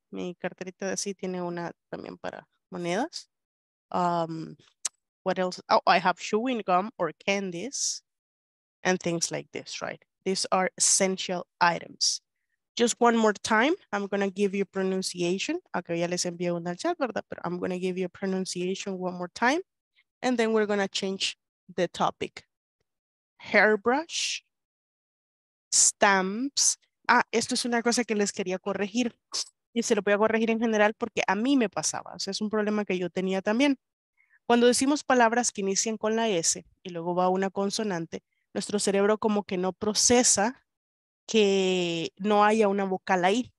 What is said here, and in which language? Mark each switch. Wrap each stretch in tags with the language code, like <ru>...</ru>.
<es>Mi carterita de así tiene una también para monedas.</es> <en>What else? Oh, I have chewing gum or candies and things like this, right? These are essential items. Just one more time, I'm going to give you pronunciation.</en> <es>Okay, ya les envié una al chat, ¿verdad?</es> <en>But I'm going to give you a pronunciation one more time. And then we're going to change the topic. Hairbrush. Stamps.</en> <es>Ah, esto es una cosa que les quería corregir. Y se lo voy a corregir en general porque a mí me pasaba. O sea, es un problema que yo tenía también. Cuando decimos palabras que inician con la S y luego va una consonante, nuestro cerebro como que no procesa que no haya una vocal ahí.</es>